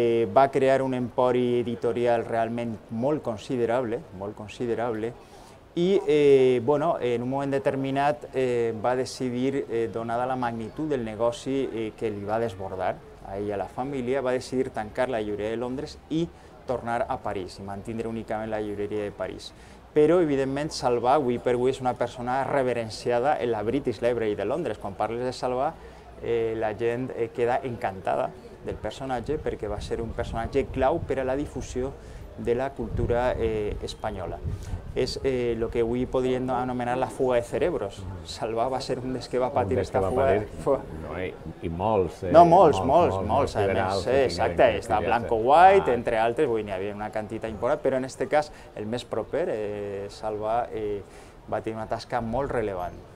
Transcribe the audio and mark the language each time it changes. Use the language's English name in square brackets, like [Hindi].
[Catalan] Va crear un empori editorial realment molt considerable, molt considerable, i en un moment determinat va decidir, donada la magnitud del negoci que li va desbordar a ell i a la família, va decidir tancar la llibreria de Londres i tornar a París, i mantenir únicament la llibreria de París. Però, evidentment, Salvà, avui per avui, és una persona reverenciada en la British Library de Londres. Quan parles de Salvà, la gent queda encantada del personatge, perquè va ser un personatge clau per a la difusió [Spanish] de la cultura española. Es lo que hoy podrían denominar la fuga de cerebros. [Catalan] Salvà va ser un dels que va patir aquesta fuga. Patir. No, i molts. No, molts, a més. Sí, exacte, està Blanco-White, entre altres, vull dir, hi havia una quantitat important, però en aquest cas, el més proper, Salvà va tenir una tasca molt rellevant.